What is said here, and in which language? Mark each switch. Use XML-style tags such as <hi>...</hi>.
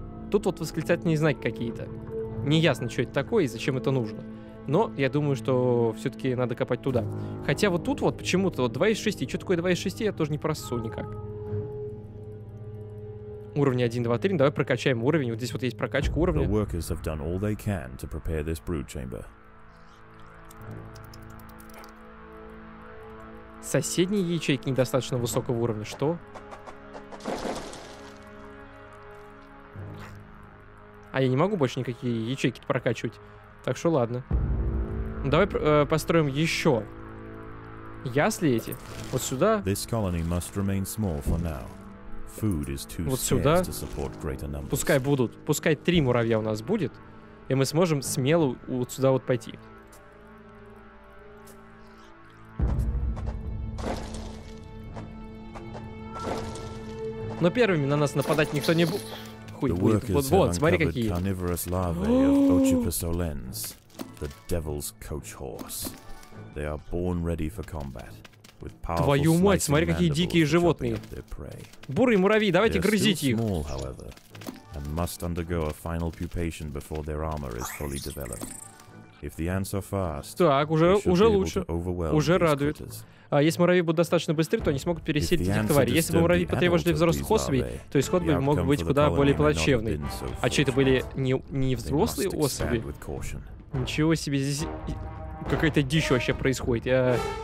<ru>Тут вот восклицательные знаки какие-то. Неясно, что это такое и зачем это нужно. Но я думаю, что все-таки надо копать туда. Хотя вот тут вот почему-то вот 2 из 6. Что такое 2 из 6, я тоже не просу никак. Уровни 1, 2, 3. Давай прокачаем уровень. Вот здесь вот есть прокачка уровня.</ru> <en>The workers have done all they can to prepare this brood chamber.</en> <ru>Соседние ячейки недостаточно высокого уровня. Что? А я не могу больше никакие ячейки прокачивать. Так что ладно. Давай построим еще ясли эти. Вот сюда.</ru> <en>This colony must remain small for now. Food is too scarce to support greater numbers.</en> <ru>Вот сюда. Пускай будут. Пускай три муравья у нас будет. И мы сможем смело вот сюда вот пойти. Но первыми на нас нападать никто не будет. Хуй будет. Вот, смотри какие.</ru> <en>Carnivorous larvae of Ochipasolens. The devil's coach horse. They are born ready for combat. With powerful</en> <ru>Твою мать, смотри, какие дикие животные. Бурые муравьи, давайте грызите их.</ru> <en>Small, however, and must undergo a final pupation before their armor is fully developed. If the ants are fast,</en> <ru>так, уже лучше. Уже радует. А если муравьи будут достаточно быстры, то они смогут пересилить этих тварей. Если бы муравьи потревожили взрослых особей, то исход бы мог быть куда более плачевный. А что, это были не взрослые особи? Ничего себе, здесь какая-то дичь вообще происходит. Я...</ru>